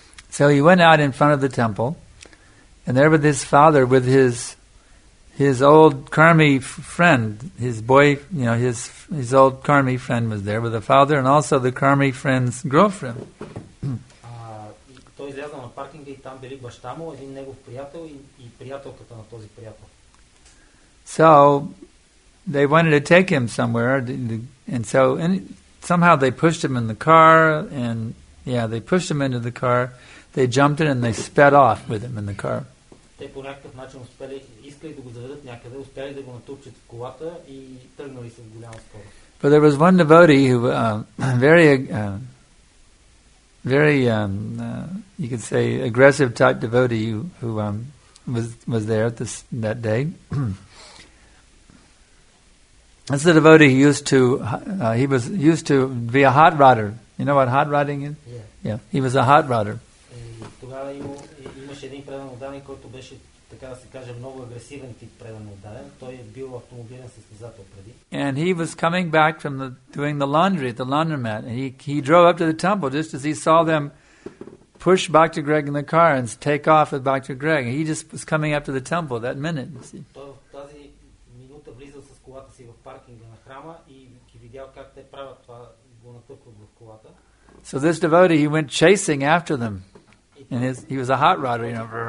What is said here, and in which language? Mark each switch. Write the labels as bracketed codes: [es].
[en] So he went out in front of the temple. And there was his father with his old karmi friend, his boy, you know, his old karmi friend was there with the father and also the karmi friend's girlfriend. [bg] Той излязъл на паркинга и там били баща му, един негов приятел и приятелката на този приятел. [en] So they wanted to take him somewhere, and somehow they pushed him in the car, and yeah, they pushed him into the car, they jumped in and they sped off with him in the car. [bg] Те по някакъв начин искали да го заведат някъде, успели да го натупчат в колата и тръгнали с голяма скорост. [en] But there was one devotee who very very you could say aggressive type devotee who was there at that day. That's the devotee who used to be a hot rodder. You know what hot rodding is? Yeah. Yeah. He was a hot rodder. [bg] тогава имаше един предан отдален, който беше, така да се каже, много агресивен тип предан отдален. Той е бил автомобилен състезател преди. [en] And he was coming back from the, doing the laundry at the laundromat. He drove up to the temple just as he saw them push Bhakti Greg in the car and take off with Bhakti Greg. He just was coming up to the temple that minute. [bg] Той в тази минута влизал с колата си в паркинга на храма и ги видял как те правят това, го натъркват в колата. [en] So this devotee, he went chasing after them. And he was a hot rodder, you know.